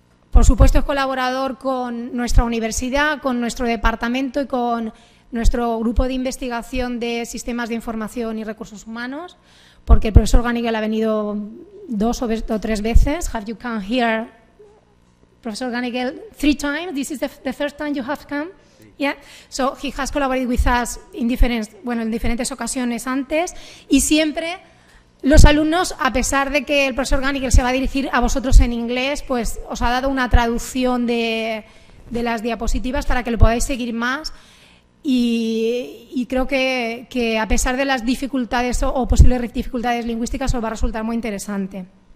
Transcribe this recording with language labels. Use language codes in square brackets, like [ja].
[es] Por supuesto, es colaborador con nuestra universidad, con nuestro departamento y con nuestro grupo de investigación de sistemas de información y recursos humanos, porque el profesor Gunnigle ha venido dos o tres veces. [en] Have you come here? Professor Gunnigle, three times. This is the third time you have come. Sí. Yeah. So he has collaborated with us in [es] diferentes ocasiones antes. Y siempre los alumnos, a pesar de que el profesor Gunnigle se va a dirigir a vosotros en inglés, pues os ha dado una traducción de las diapositivas para que lo podáis seguir más. Y creo que a pesar de las dificultades o posibles dificultades lingüísticas, os va a resultar muy interesante.